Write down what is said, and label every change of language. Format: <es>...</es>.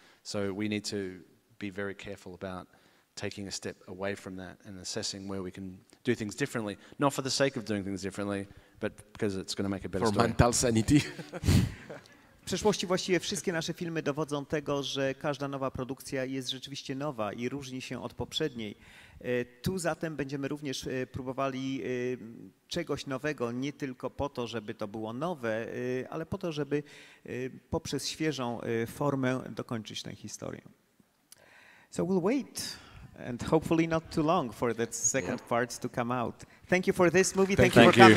<en>So we need to be very careful about taking a step away from that and assessing where we can do things differently, not for the sake of doing things differently, but because it's going to make a better for story. For mental sanity.</en> <pl>W przeszłości właściwie wszystkie nasze filmy dowodzą tego, że każda nowa produkcja jest rzeczywiście nowa i różni się od poprzedniej. Tu zatem będziemy również próbowali czegoś nowego, nie tylko po to, żeby to było nowe, ale po to, żeby poprzez świeżą formę dokończyć tę historię.</pl> <en>So we'll wait, and hopefully not too long for that second part to come out. Thank you for this movie. Thank you for coming.</en>